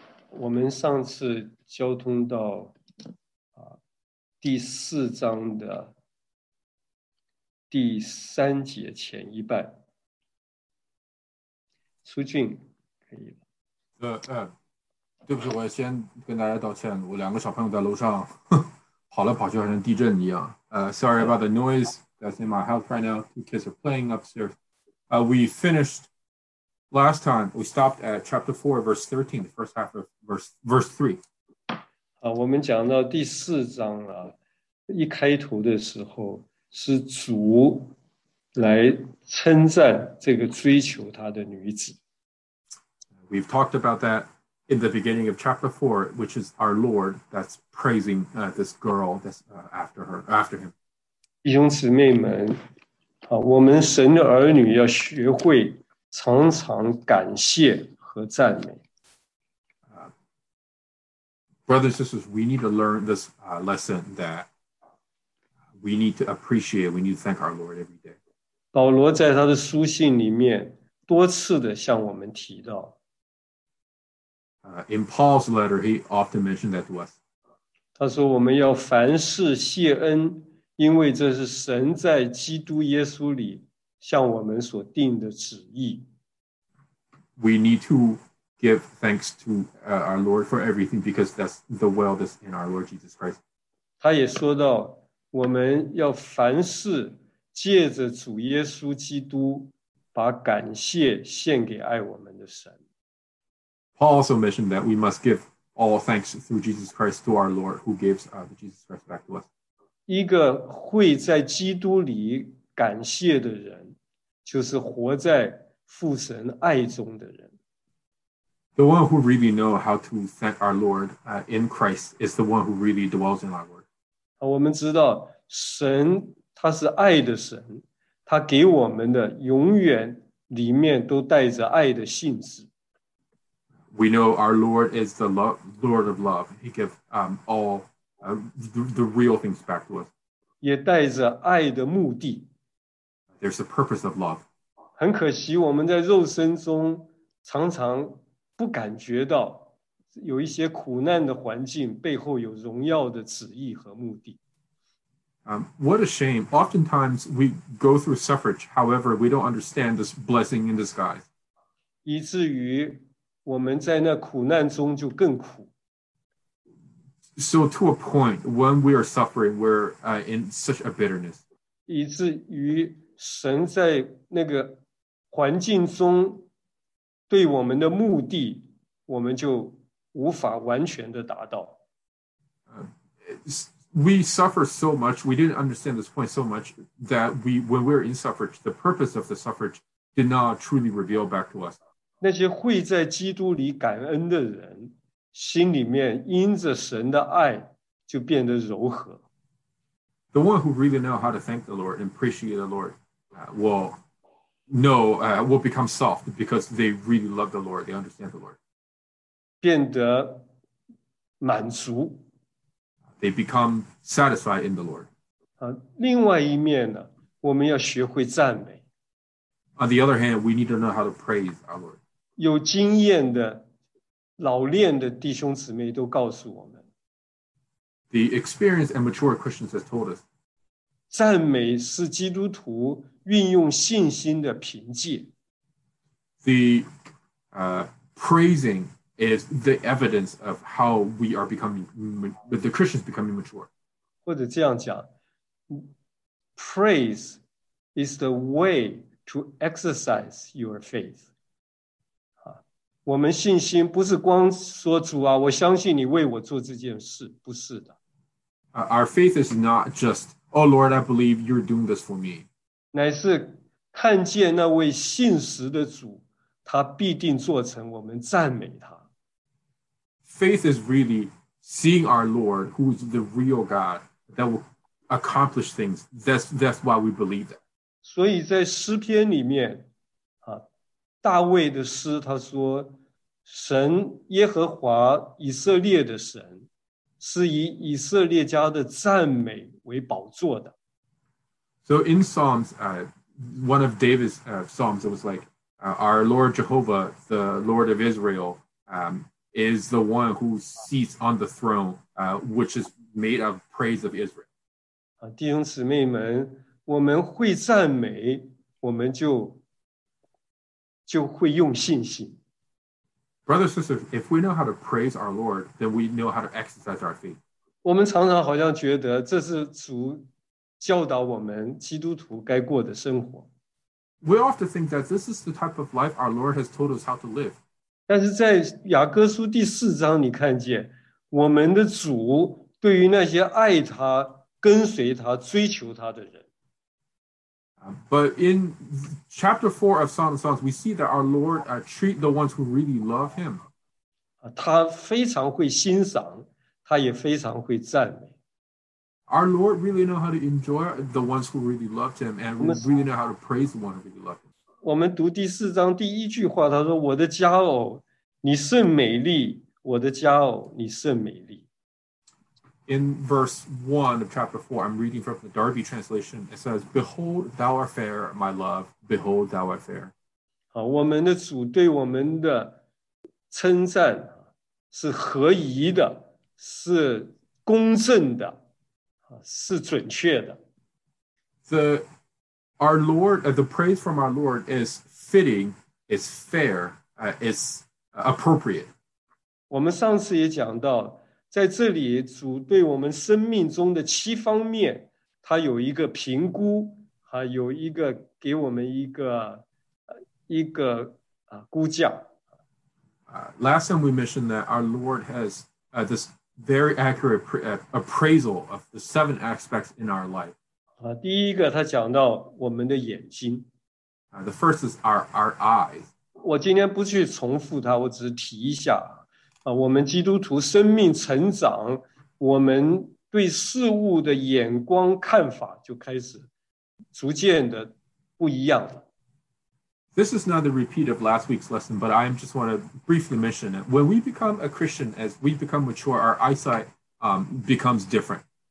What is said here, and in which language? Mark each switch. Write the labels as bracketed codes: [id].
[zh] 我们上次交通到第四章的第三节前一半，苏俊可以了。对不起，我先跟大家道歉，我两个小朋友在楼上跑来跑去，好像地震一样。 [en] Sorry about the noise that's in my house right now. Two kids are playing upstairs. We finished last time. We stopped at chapter 4, verse 13, the first half of verse 3. [zh] 我们讲到第四章了，一开头的时候是主来称赞这个追求他的女子。 [en] We've talked about that in the beginning of chapter 4, which is our Lord that's praising this girl that's after him. [zh] 弟兄姊妹们，我们神的儿女要学会常常感谢和赞美。 [en] Brothers and sisters, we need to learn this lesson that we need to appreciate, we need to thank our Lord every day. [zh] 保罗在他的书信里面多次地向我们提到。 [en] In Paul's letter, he often mentioned that to us. [zh] 他说我们要凡事谢恩，因为这是神在基督耶稣里向我们所定的旨意。 [en] We need to give thanks to our Lord for everything because that's the will that's in our Lord Jesus Christ. [zh] 他也说到我们要凡事借着主耶稣基督把感谢献给爱我们的神。 [en] Paul also mentioned that we must give all thanks through Jesus Christ to our Lord who gives Jesus Christ back to us. [zh] 一个会在基督里感谢的人，就是活在父神爱中的人。 [en] The one who really knows how to thank our Lord in Christ is the one who really dwells in our Lord. [zh] 我们知道神他是爱的神，他给我们的永远里面都带着爱的性质。 [en] We know our Lord is the Lord of love. He gives all the real things back to us. [zh] 也带着爱的目的。 [en] There's a purpose of love. [zh] 很可惜我们在肉身中常常不感觉到有一些苦难的环境背后有荣耀的旨意和目的。 [en] What a shame. Oftentimes we go through suffrage. However, we don't understand this blessing in disguise. [zh] 以至于我们在那苦难中就更苦。 [en] So to a point, when we are suffering, we're in such a bitterness. [zh] 以至于神在那个环境中对我们的目的，我们就无法完全的达到。 [en] We suffer so much, we didn't understand this point so much, that when we're in suffrage, the purpose of the suffrage did not truly reveal back to us. [zh] 那些会在基督里感恩的人，心里面因着神的爱就变得柔和。 [en] The one who really know how to thank the Lord and appreciate the Lord will become soft because they really love the Lord, they understand the Lord. [zh] 变得满足。 [en] They become satisfied in the Lord. [zh] 另外一面呢，我们要学会赞美。 [en] On the other hand, we need to know how to praise our Lord. [zh] 有经验的、老练的弟兄姊妹都告诉我们。 [en] The experienced and mature Christians have told us. [zh] 赞美是基督徒运用信心的凭借。 [en] The praising is the evidence of how we are becoming, the Christians becoming mature. [zh] 或者这样讲， [en] praise is the way to exercise your faith. [zh] 我们信心不是光说主啊，我相信你为我做这件事，不是的。 [en] Our faith is not just, oh Lord, I believe you're doing this for me. [zh] 乃是看见那位信实的主他必定做成，我们赞美他。 [en] Faith is really seeing our Lord, who is the real God, that will accomplish things. That's why we believe that. [zh] 所以在诗篇里面，大卫的诗他说，神耶和华以色列的神，是以以色列家的赞美为宝座的。 [en] So in Psalms, one of David's Psalms, it was like,our Lord Jehovah, the Lord of Israel, is the one who seats on the throne, which is made of praise of Israel. [zh] 弟兄姊妹们，我们会赞美，我们就会用信心。 [en] Brothers and sisters, if we know how to praise our Lord, then we know how to exercise our faith. [zh] 我们常常好像觉得这是主教导我们基督徒该过的生活。 [en] We often think that this is the type of life our Lord has told us how to live. [zh] 但是在雅各书第四章，你看见我们的主对于那些爱他、跟随他、追求他的人。 [en] But in chapter 4 of Song of Songs, we see that our Lord treat the ones who really love him. [zh] 他非常会欣赏，他也非常会赞美。 [en] Our Lord really know how to enjoy the ones who really loved him and really know how to praise the one who really loved him. [zh] 我们读第四章第一句话，他说，我的佳偶，你甚美丽，我的佳偶，你甚美丽。 [en] In verse 1 of chapter 4, I'm reading from the Darby translation. It says, Behold, thou art fair, my love. Behold, thou art fair. [zh] 好，我们的主对我们的称赞是合宜的，是公正的。是准确的。 [en] The praise from our Lord is fitting, is fair, is appropriate. [zh] 我们上次也讲到，在这里主对我们生命中的七方面，他有一个评估，有一个给我们一个估价。 [en] Last time we mentioned that our Lord has this. Very accurate appraisal of the seven aspects in our life. [zh] 第一个他讲到我们的眼睛。 [en] The first is our eyes. [zh] 我今天不去重复它，我只是提一下。我们基督徒生命成长，我们对事物的眼光看法就开始逐渐的不一样了。 [en] This is not the repeat of last week's lesson, but I just want to briefly mention it. When we become a Christian, as we become mature, our eyesight becomes different.